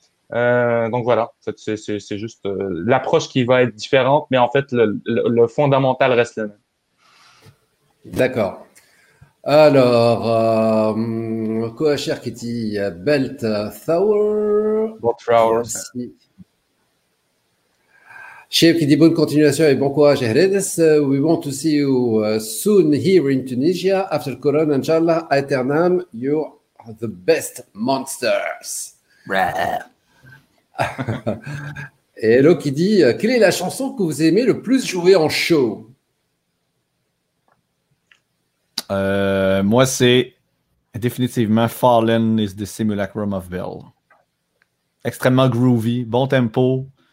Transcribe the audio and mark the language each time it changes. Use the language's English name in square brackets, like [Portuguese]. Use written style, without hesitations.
[French] Donc voilà, c'est juste l'approche qui va être différente, mais en fait, le fondamental reste le même. D'accord. Alors, Koacher qui dit Belt Thrower. Belt Thrower. Chef qui dit bonne continuation et bon courage, Heredes. [English] We want to see you soon here in Tunisia. After Corona, Inch'Allah, Aeternam, you are the best monsters. [French] Et Hello qui dit, quelle est la chanson que vous aimez le plus jouer en show? Moi, c'est définitivement Fallen is the Simulacrum of Bell. Extrêmement groovy, bon tempo.